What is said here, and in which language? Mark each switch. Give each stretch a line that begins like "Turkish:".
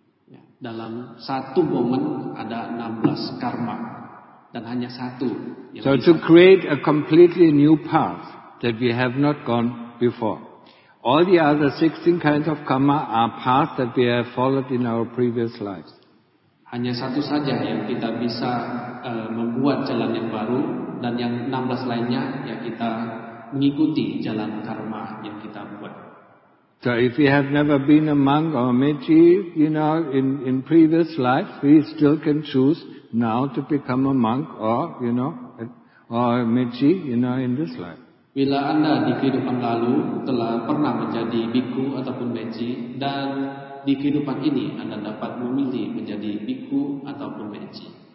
Indonesian: Ya, dalam satu momen ada 16 karma dan hanya satu.
English: So to create a completely new path that we have not gone before. All the other 16 kinds of karma are paths that we have followed in our previous lives.
Indonesian: Hanya satu saja yang kita bisa membuat jalan yang baru, dan yang 16 lainnya ya kita mengikuti jalan karma yang kita buat.
English: So if you have never been a monk or a meiji, you know, in previous life, we still can choose now to become a monk or, you know, or a meiji, you know, in this life.
Indonesian: Bila Anda di kehidupan lalu telah pernah menjadi bhikkhu ataupun meiji, dan di kehidupan ini Anda dapat memilih menjadi bhikkhu ataupun meiji.